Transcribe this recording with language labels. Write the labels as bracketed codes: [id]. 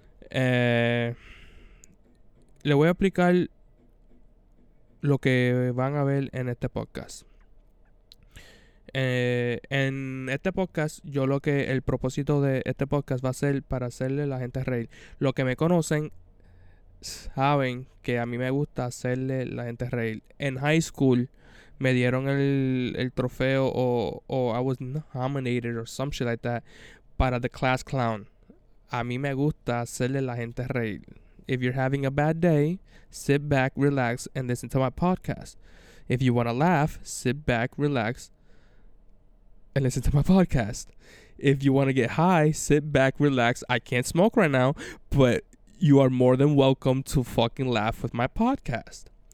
[es] Le voy a explicar lo que van a ver en este podcast. En este podcast, el propósito de este podcast va a ser para hacerle a la gente reír. Lo que me conocen saben que a mí me gusta hacerle la gente reír. En high school me dieron el trofeo o [en] I was nominated or some shit like that [es] para [en] the class clown. [es] A mí me gusta hacerle la gente reír. [en] If you're having a bad day, sit back, relax, and listen to my podcast. If you want to laugh, sit back, relax, and listen to my podcast. If you want to get high, sit back, relax. I can't smoke right now, but you are more than welcome to fucking laugh with my podcast.